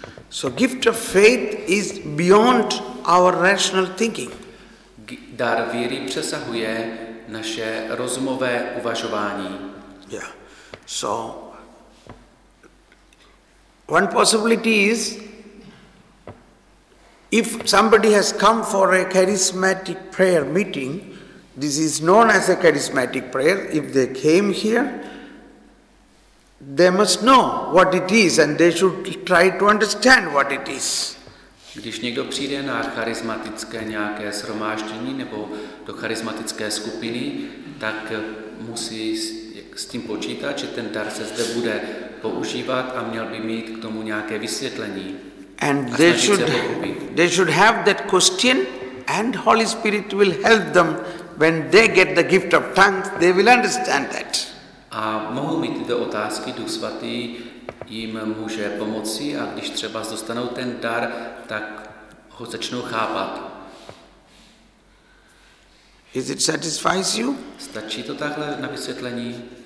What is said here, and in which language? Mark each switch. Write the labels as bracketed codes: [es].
[en] So gift of faith is beyond our rational thinking. [cs] Dar víry přesahuje naše rozumové uvažování. [en] Yeah. So one possibility is if somebody has come for a charismatic prayer meeting, this is known as a charismatic prayer, if they came here, they must know what it is and they should try to understand what it is. [cs] Když někdo přijde na charismatické nějaké shromáždění nebo do charismatické skupiny, tak musí s tím počítat, že ten dar se zde bude používat a měl by mít k tomu nějaké vysvětlení. [en] And they should have that question and Holy Spirit will help them when they get the gift of tongues, they will understand that. [cs] A mohou mít tyto otázky, Duch Svatý jim může pomoci a když třeba dostanou ten dar, tak ho začnou chápat. [en] Is it satisfies you? [cs] Stačí to takhle na vysvětlení?